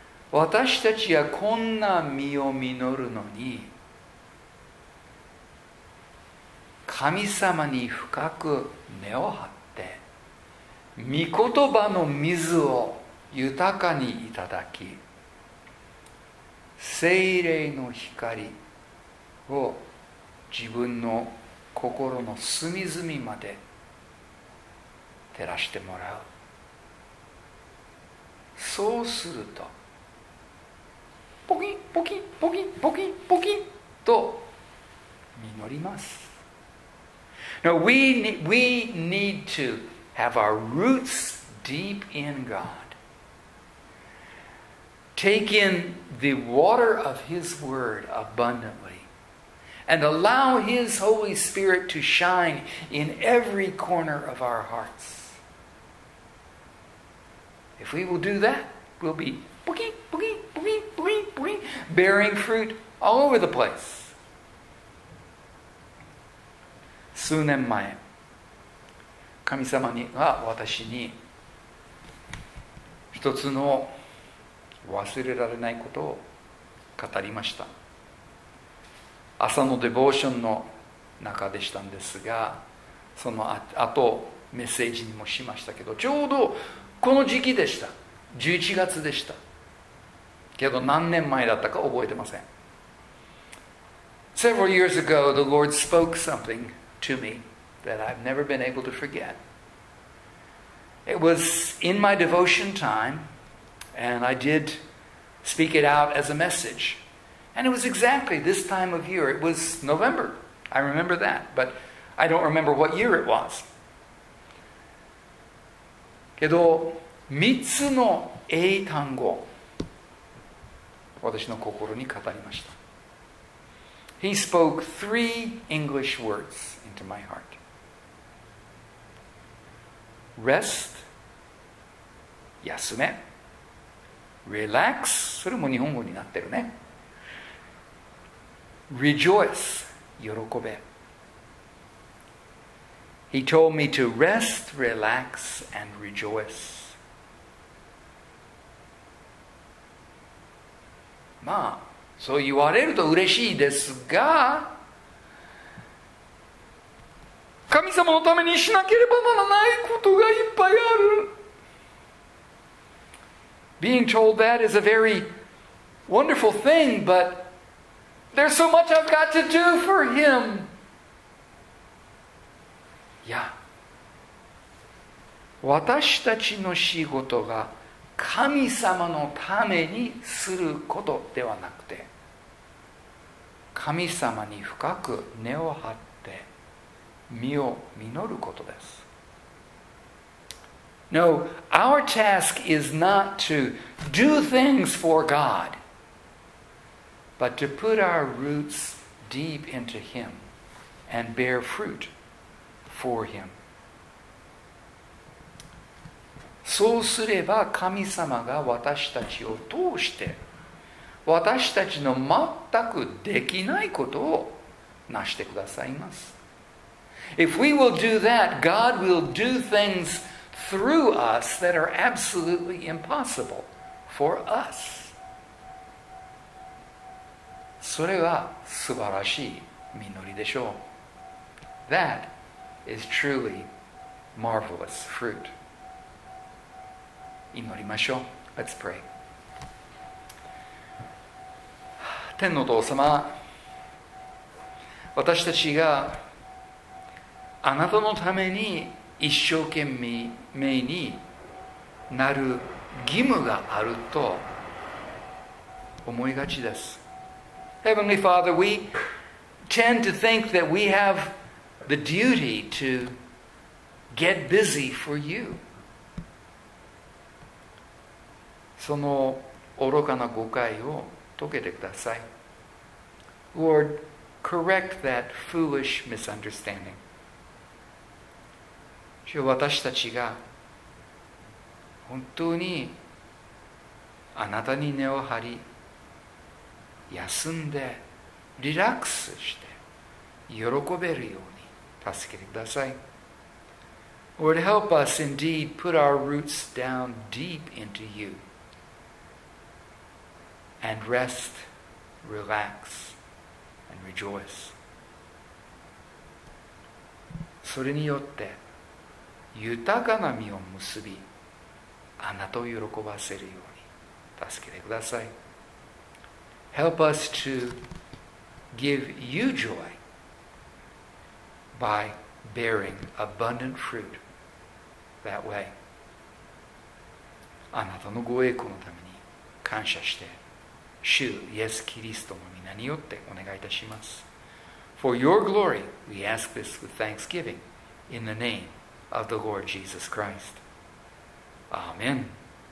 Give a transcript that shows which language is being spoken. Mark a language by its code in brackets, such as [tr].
[ja] 私たちはこんな実を実るのに、神様に深く根を張って、御言葉の水を豊かにいただき、聖霊の光を自分の心の隅々まで照らしてもらう。そうすると、ポキンポキンポキンポキンポキンと実ります。 [en] Now we need to have our roots deep in God. Take in the water of His Word abundantly. And allow His Holy Spirit to shine in every corner of our hearts. If we will do that, we'll be boogie, boogie, boogie, boogie, boogie, bearing fruit all over the place. [ja] 数年前、神様には私に一つの忘れられないことを語りました。朝のデボーションの中でしたんですが、その後メッセージにもしましたけど、ちょうどこの時期でした。11月でした。けど何年前だったか覚えてません。 [en] Several years ago, the Lord spoke something to me that I've never been able to forget. It was in my devotion time, and I did speak it out as a message. And it was exactly this time of year. It was November. I remember that. But I don't remember what year it was. [ja] けど、三つの英単語、私の心に語りました。 [en] He spoke three English words into my heart. Rest, [ja] 休め。Relax, それも日本語になってるね。 [en] Rejoice, [ja] 喜べ。 [en] He told me to rest, relax, and rejoice. [ja] まあ、そう言われると嬉しいですが、神様のためにしなければならないことがいっぱいある。 [en] Being told that is a very wonderful thing, but There's so much I've got to do for him. Yeah. [ja] 私たちの仕事が神様のためにすることではなくて、神様に深く根を張って実を実ることです。 [en] No, our task is not to do things for God, but to put our roots deep into Him and bear fruit for Him. [ja] そうすれば神様が私たちを通して私たちの全くできないことを成してくださいます。 [en] If we will do that, God will do things through us that are absolutely impossible for us. [ja] それは素晴らしい実りでしょう。 [en] That is truly marvelous fruit. [ja] 祈りましょう。 [en] Let's pray. [ja] 天の父様、私たちがあなたのために一生懸命になる義務があると思いがちです。 [en] Heavenly Father, we tend to think that we have the duty to get busy for you. [ja] その愚かな誤解を解けてください。 [en] Lord, correct that foolish misunderstanding. [ja] 主よ、私たちが本当にあなたに根を張り、休んでリラックスして喜べるように助けてください。 [en] Lord, help us indeed put our roots down deep into you. And rest, relax, and rejoice. [ja] それによって豊かな実を結び、あなたを喜ばせるように助けてください。 [en] Help us to give you joy by bearing abundant fruit that way. [ja] あなたのご栄光のために感謝して。主イエスキリストの名によってお願いいたします。 [en] For your glory, we ask this with thanksgiving in the name of the Lord Jesus Christ. Amen.